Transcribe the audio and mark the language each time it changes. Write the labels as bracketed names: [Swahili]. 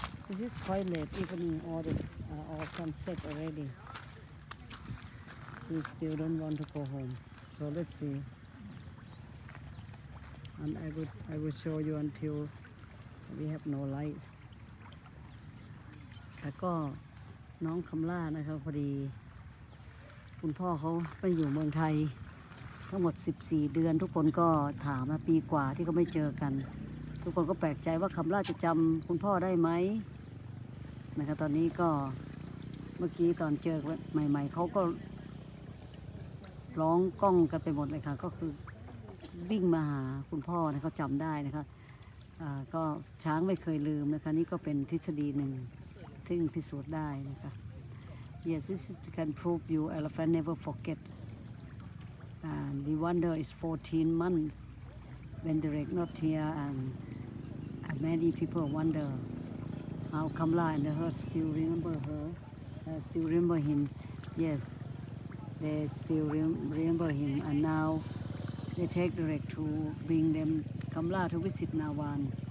[English] This is quite late evening, all sunset already. She still don't want to go home. So let's see. And I will show you until we have no light. [Thai] ก็น้องคำล่านะครับพอดีคุณพ่อเขาไปอยู่เมืองไทยทั้งหมด14เดือนทุกคนก็ถามมาปีกว่าที่เขาไม่เจอกันทุกคนก็แปลกใจว่าคำล่าจะจำคุณพ่อได้ไหมนะครับตอนนี้ก็เมื่อกี้ตอนเจอใหม่ๆเขาก็ ร้องกล้องกันไปหมดเลยค่ะก็คือวิ่งมาหาคุณพ่อนะเขาจำได้นะครับก็ช้างไม่เคยลืมนะคะนี่ก็เป็นทฤษฎีหนึ่งซึ่งพิสูจน์ได้นะคะ [English] Yes this can prove you elephant never forget and we wonder is 14 months when Darick not here and many people wonderwell, Khamla and the herd still remember her, still remember him. Yes, they still remember him. And now they take Darick to bring them Khamla to visit Nawan.